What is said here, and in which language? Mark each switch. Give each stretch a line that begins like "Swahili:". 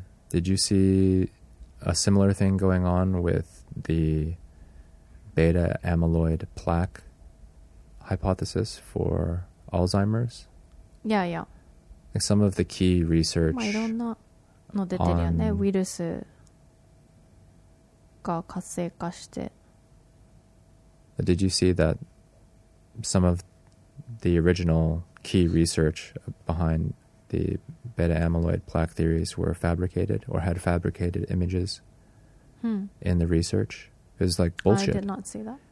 English: Did you see a similar thing going on with the beta amyloid plaque hypothesis for Alzheimer's? Yeah. Some of the key research.
Japanese: まあいろんなの出てるよね。ウイルスが活性化して。
English: Did you see that some of the original key research behind the beta amyloid plaque theories were fabricated or had fabricated images in the research? It was like bullshit. I did not see that.